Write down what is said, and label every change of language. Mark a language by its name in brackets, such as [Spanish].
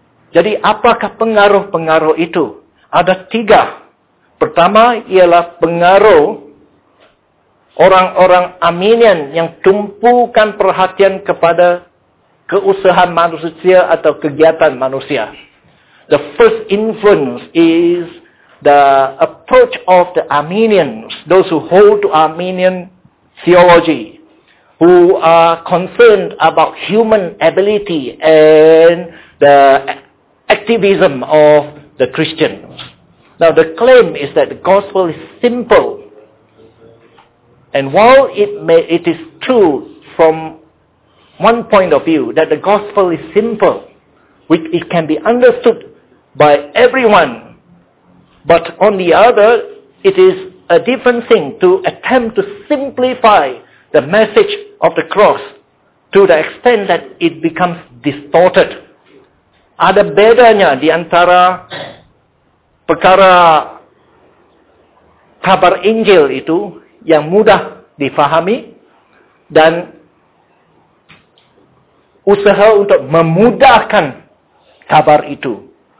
[Malay] Jadi apakah pengaruh-pengaruh itu? Ada tiga. Pertama ialah pengaruh orang-orang Arminian yang tumpukan perhatian kepada keusahan manusia atau kegiatan manusia. [English] The first influence is the approach of the Arminians, those who hold to Arminian theology, who are concerned about human ability and the activism of the Christians. Now, the claim is that the gospel is simple. And while it is true from one point of view that the gospel is simple, which it can be understood by everyone, but on the other, it is a different thing to attempt to simplify the message of the cross to the extent that it becomes distorted. [Malay] Ada bedanya di antara perkara kabar Injil itu yang mudah difahami dan usaha untuk memudahkan kabar itu.